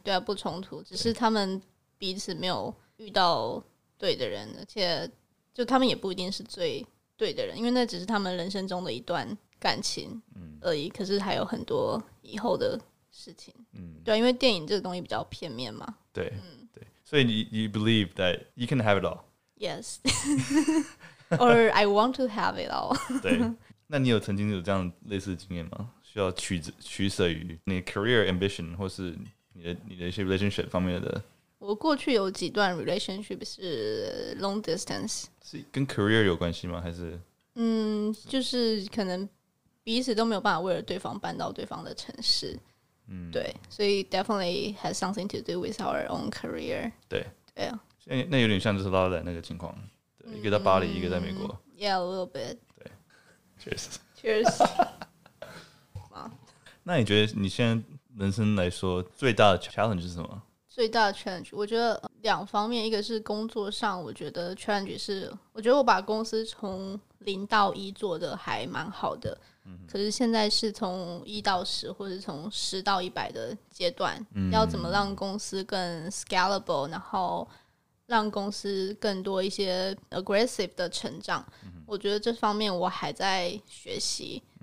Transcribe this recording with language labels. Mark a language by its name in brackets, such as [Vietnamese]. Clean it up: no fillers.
[Chinese] 对啊，不冲突，只是他们彼此没有遇到对的人，而且就他们也不一定是最对的人，因为那只是他们人生中的一段感情而已，可是还有很多以后的事情。对啊，因为电影这个东西比较片面嘛。对，对，所以 [English] you believe that you can have it all? Yes. Or I want to have it all. [Chinese] 对，那你有曾经有这样类似的经验吗？需要取舍于你的 career ambition 或是你的一些 relationship 方面的？我过去有几段 relationship 是 long distance，是跟 career 有关系吗？还是就是可能彼此都没有办法为了对方搬到对方的城市。对，所以 [English] definitely has something to do with our own career。 [Chinese] 对，那有点像就是 Lala 那个情况，对，一个在巴黎，一个在美国。 [English] Yeah, a little bit。 [Chinese] 对， [English] Cheers。 Cheers。 [Chinese] 那你觉得你现在人生来说最大的 challenge 是什么？最大的 challenge 我觉得两方面，一个是工作上，我觉得 challenge 是我觉得我把公司从零到一做的还蛮好的，可是现在是从一到十或是从十到一百的阶段，要怎么让公司更 scalable， 然后让公司更多一些 aggressive 的成长，我觉得这方面我还在学习。